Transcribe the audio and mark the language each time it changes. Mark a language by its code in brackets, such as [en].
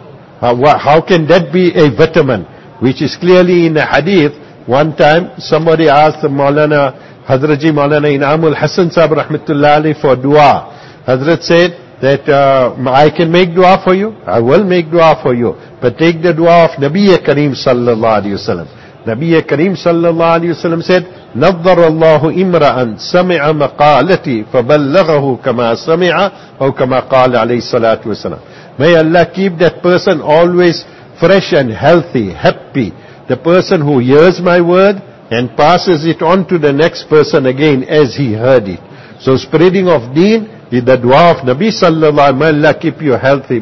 [en] How can that be a vitamin? Which is clearly in a hadith. One time somebody asked the Maulana, Hadraji Maulana Inamul Hassan Sahib Rahmatullah Ali for dua. Hadrat said that I can make dua for you. I will make dua for you. But take the dua of Nabiya Kareem Sallallahu Alaihi Wasallam. Nabiya Kareem Sallallahu Alaihi Wasallam said, [ar] نظر الله امرأ سمع مقالتي فبلغه كما سمع أو كما قال عليه الصلاة والسلام. [en] May Allah keep that person always fresh and healthy, happy. The person who hears my word and passes it on to the next person again as he heard it. So spreading of deen is the dua of Nabi sallallahu alaihi wasallam. May Allah keep you healthy.